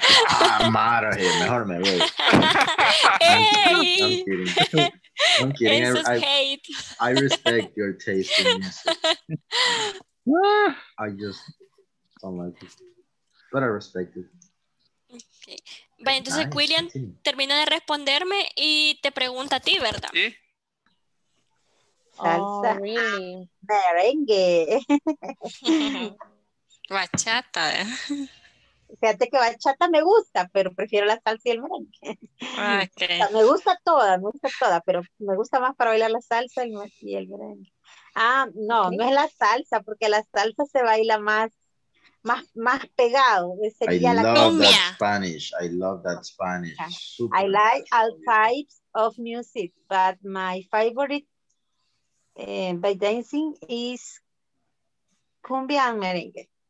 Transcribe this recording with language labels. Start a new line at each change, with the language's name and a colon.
English: I'm out of here.
Spanish: Mejor me voy.
English: Hey. I'm kidding. I respect your taste in music. I just don't like it. But I respect it. Okay.
Spanish: Vale, entonces,
English: nice.
Spanish: William, termina de responderme y te pregunta a ti, ¿verdad? Sí.
English: Salsa. Oh, really? Merengue.
Spanish: Bachata. Fíjate que bachata me gusta, pero prefiero la salsa y el merengue.
English: Okay.
Spanish: O sea, me gusta toda, pero me gusta más para bailar la salsa y el merengue. Ah, no, okay. No es la salsa, porque la salsa se baila más pegado. Sería
English: I
Spanish: la
English: love that Spanish. I love that Spanish. Super. I like all types of music, but my favorite by dancing is cumbia and merengue.